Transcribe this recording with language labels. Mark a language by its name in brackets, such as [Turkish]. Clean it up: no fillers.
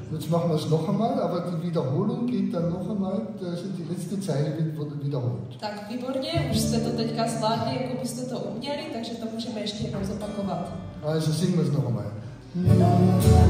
[German] wir es noch einmal, aber die Wiederholung geht dann noch einmal, da sind die letzte Zeile wurde wiederholt. [Czech] Tak výborně, už jste to teďka zvládli, jako byste to uměli, takže to můžeme ještě jednou zopakovat. [German] Also singen wir es noch einmal.